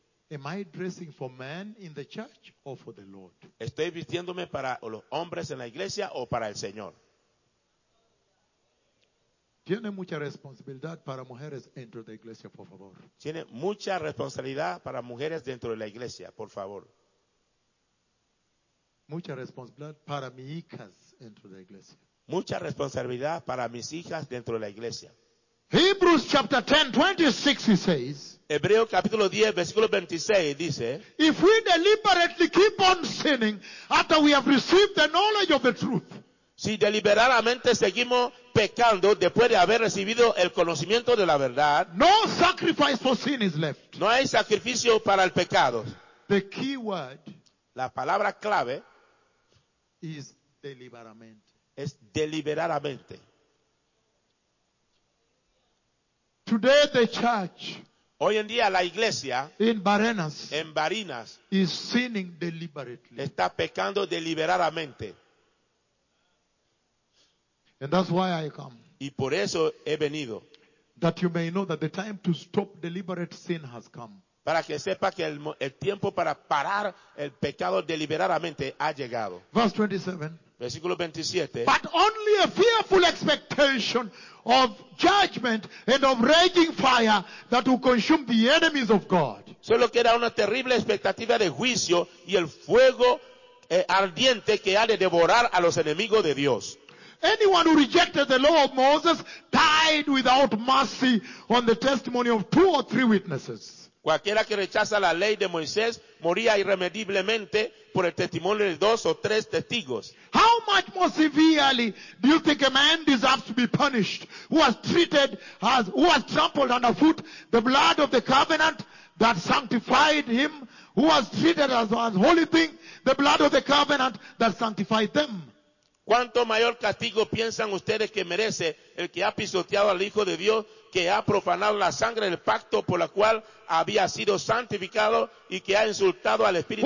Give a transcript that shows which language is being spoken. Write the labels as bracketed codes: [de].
[en] Am I dressing for men in the church or for the Lord? [es] ¿Estoy vistiéndome para los hombres en la iglesia o para el Señor? Tiene mucha responsabilidad para mujeres dentro de la iglesia, por favor. Tiene mucha responsabilidad para mujeres dentro de la iglesia, por favor. Mucha responsabilidad para mis hijas dentro de la iglesia. Mucha responsabilidad para mis hijas dentro de la iglesia. [en] Hebrews chapter 10, 26, he says. [es] Hebreo capítulo 10, versículo 26, dice. [en] If we deliberately keep on sinning after we have received the knowledge of the truth. [es] Si deliberadamente seguimos pecando después de haber recibido el conocimiento de la verdad, [en] no sacrifice for sin is left. [es] No hay sacrificio para el pecado. [en] The key word, [es] la palabra clave, [en] is deliberadamente. [es] Es deliberadamente. [en] Today the church, [es] hoy en día la iglesia, [en] in Barinas, [es] en Barinas, [en] is sinning deliberately. [es] Está pecando deliberadamente. [en] And that's why I come. [es] Y por eso he venido. [en] That you may know that the time to stop deliberate sin has come. [es] Para que sepa que el tiempo para parar el pecado deliberadamente ha llegado. [en] Verse 27. [es] Versículo 27. [en] But only a fearful expectation of judgment and of raging fire that will consume the enemies of God. [es] Solo queda una terrible expectativa de juicio y el fuego ardiente que ha de devorar a los enemigos de Dios. [en] Anyone who rejected the law of Moses died without mercy on the testimony of two or three witnesses. [es] Cualquiera que rechaza la ley de Moisés moría irremediablemente por el testimonio de dos o tres testigos. [en] How much more severely do you think a man deserves to be punished who has trampled underfoot the blood of the covenant that sanctified him, who has treated as a holy thing the blood of the covenant that sanctified them? [es] ¿Cuánto mayor castigo piensan ustedes que merece el que ha pisoteado al Hijo de Dios, que ha profanado la sangre del pacto por la cual había sido santificado y que ha insultado al Espíritu